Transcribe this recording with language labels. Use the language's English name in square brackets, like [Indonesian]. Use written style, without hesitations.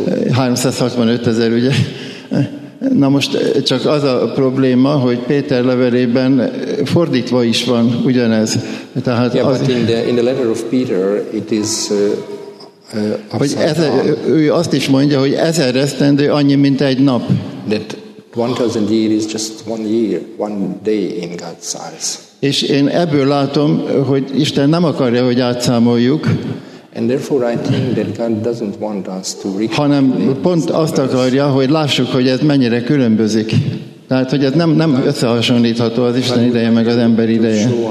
[Hungarian] 365 ezer, ugye? Na most csak az a probléma, hogy Péter levelében fordítva is van ugyanez. Tehát [English] yeah, [Hungarian] az, [English] but in the letter of Peter it is [Hungarian] hogy ezer, ő azt is mondja, hogy ezer esztendő annyi, mint egy nap. [English] That 1000 year is just one year, one day in God's eyes. [Hungarian] És én ebből látom, hogy Isten nem akarja, hogy átszámoljuk. [English] And therefore I think that God doesn't want us to recognize. [Hungarian] Hanem pont azt akarja, hogy lássuk, hogy ez mennyire különbözik. Tehát, hogy ez nem összehasonlítható az Isten ideje meg az ember ideje.